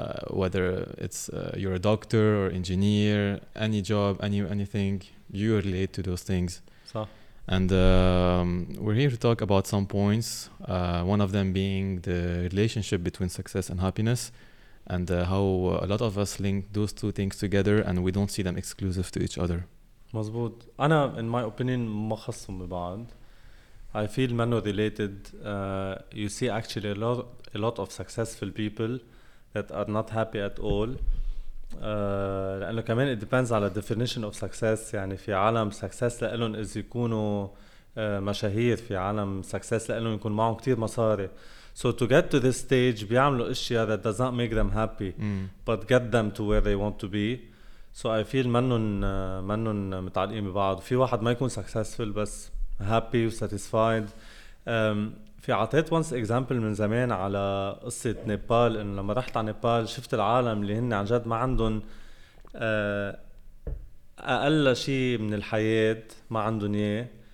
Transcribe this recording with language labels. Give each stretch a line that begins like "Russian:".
English: Whether it's you're a doctor or engineer, any job, anything, you relate to those things. So. And we're here to talk about some points, one of them being the relationship between success and happiness, and how a lot of us link those two things together and we don't see them exclusive to each other.
Arabic: مزبوط. أنا,
English: in my opinion,
Arabic: ما خصهم ببعض.
English: I feel
Arabic: منو
English: related. You see actually a lot of successful people that are not happy at all.
Arabic: لأنه كمان
English: it depends
Arabic: على
English: definition of success.
Arabic: يعني في عالم success لإلهم إذا يكونوا مشاهير, في عالم success لإلهم يكون معهم كتير مصاري.
English: So to get to this stage
Arabic: بيعملوا إشياء
English: that does not make them happy but get them to where they want to be. So I feel
Arabic: منهم متعلقين ببعض. في واحد ما يكون successful بس happy و satisfied. في عطيت
English: once example
Arabic: من زمان على قصة نيبال, إنه لما رحت على نيبال شفت العالم اللي هن عن جد ما عندهم أقل شيء من الحياة, ما عندهم إياه.